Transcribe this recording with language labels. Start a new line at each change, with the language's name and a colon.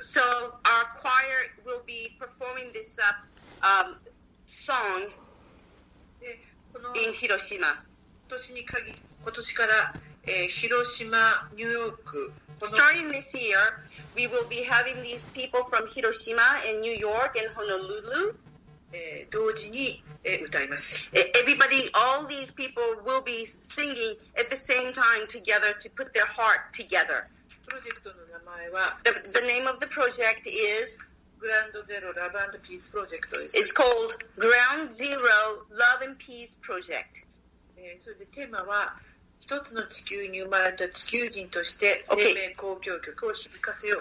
English: So our choir will be performing this song in Hiroshima.
Japanese: 今年から、広島、ニューヨーク。
English: Starting this year, we will be having these people from Hiroshima and New York and Honolulu.
Japanese: 同時に、歌います。
English: Everybody, all these people will be singing at the same time together to put their heart together.
Japanese: プロジェクトの名前は
English: the name of the project is Ground Zero Love and Peace Project. It's called Ground Zero Love and Peace Project.
Japanese: それでテーマは一つの地球に生まれた地球人として生命交響曲を響かせよう。